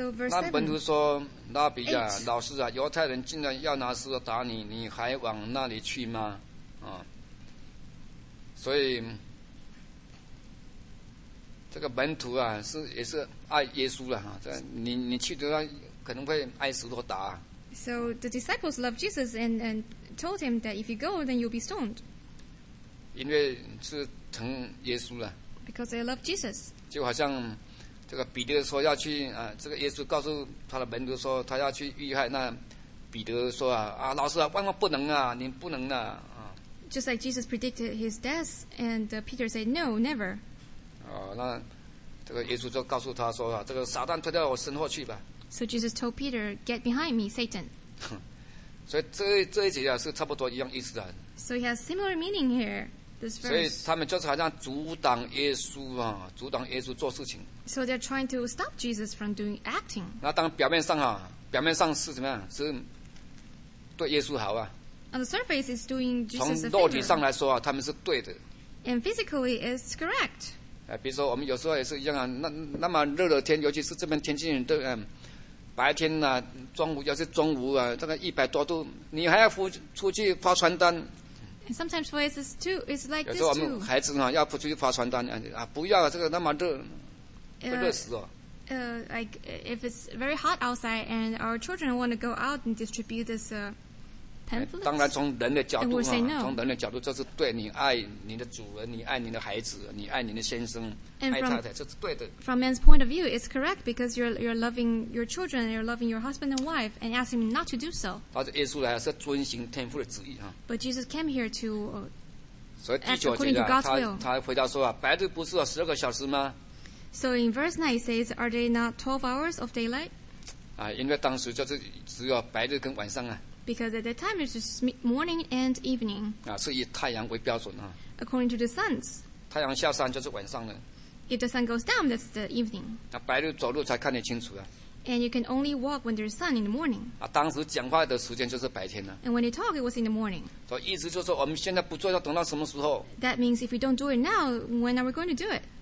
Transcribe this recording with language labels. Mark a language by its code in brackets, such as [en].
[zh] 那门徒说：“拉比啊，老师啊，犹太人竟然要拿石头打你，你还往那里去吗？” 啊，所以。这个门徒啊，是也是爱耶稣了哈。这你去的话，可能会挨石头打。 [en] So the disciples loved Jesus and told him that if you go, then you'll be stoned. [zh] 因为是疼耶稣了。 [en] Because they love Jesus. [zh] 就好像这个彼得说要去啊，这个耶稣告诉他的门徒说他要去遇害，那彼得说啊老师啊，万万不能啊，你不能啊。 [en] Just like Jesus predicted his death, and Peter said, "No, never." [zh] 那这个耶稣就告诉他说、啊、这个撒旦推到我身后去吧。 [en] So Jesus told Peter, get behind me, Satan. [zh] 所以这一节、啊、是差不多一样意思的。 [en] So he has similar meaning here, this verse. [zh] 所以他们就是好像阻挡耶稣啊，阻挡耶稣做事情。 [en] So they're trying to stop Jesus from doing acting. [zh] 那当表面上啊，表面上是怎么样？是对耶稣好啊。 [en] On the surface, is doing Jesus a favor. [zh] 从肉体上来说啊，他们是对的。 [en] And physically, it's correct. [zh] 比如说我们有时候也是一样啊，那么热的天，尤其是这边天气都白天啊，中午要是中午啊，大概100多度，你还要出去发传单。 [en] Sometimes for us it's too, it's like this too. [zh] 有时候我们孩子啊要出去发传单啊，不要啊，这个那么热，会热死哦。 [en] Like if it's very hot outside and our children want to go out and distribute this [zh] pamphlets, 当然从人的角度、啊 [en] no. [zh] 从人的角度就是对你爱你的主人你爱你的孩子你爱你的先生 [en] from, [zh] 爱太太这是对的 [en] from man's point of view it's correct because you're loving your children you're loving your husband and wife and asking him not to do so [zh] 但是耶稣来是遵行天父的旨意、啊、 [en] but Jesus came here to、 [zh] 所以第九节、啊、他回答说、啊、白日不是有十二个小时吗 [en] so in verse 9 it says are they not 12 hours of daylight、 [zh] 啊、因为当时就是只有白日跟晚上啊 [en] Because at that time it's just morning and evening. [zh] 啊，是以太阳为标准啊。 [en] According to the suns. [zh] 太阳下山就是晚上了。 [en] If the sun goes down, that's the evening. [zh] 啊，白日走路才看得清楚啊。 [en] And you can only walk when there's sun in the morning. [zh] 啊，当时讲话的时间就是白天了。 [en] And when you talk, it was in the morning. [zh] 所以意思就是说，我们现在不做，要等到什么时候 [en] ？That means if we don't do it now, when are we going to do it?